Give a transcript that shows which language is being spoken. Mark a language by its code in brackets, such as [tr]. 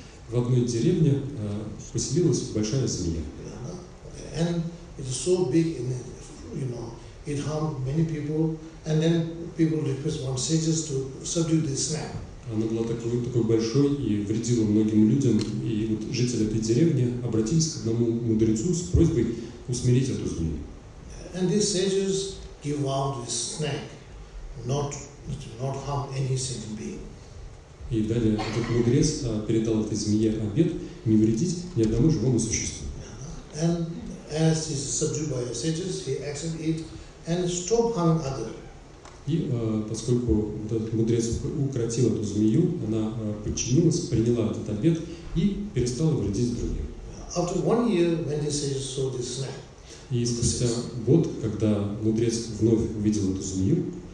[ru] В одной деревне поселилась большая змея. [en] And it is so big, and you know, it harmed many people. And then people request one sages to subdue this snake. [ru] Она была такой большой и вредила многим людям. И вот жители этой деревни обратились к одному мудрецу с просьбой усмирить эту змею. [en] And these sages give out this snake, not harm any sentient being. [ru] И далее этот мудрец передал этой змее обет не вредить ни одному живому существу. [en] And as he is subdued by the sages, he accepted it and stopped harming others. [ru] И поскольку вот этот мудрец укротил эту змею, она подчинилась, приняла этот обет и перестала вредить другим. [en] After one year, when the sages saw this snake, [ru] и спустя год, когда мудрец вновь увидел эту змею,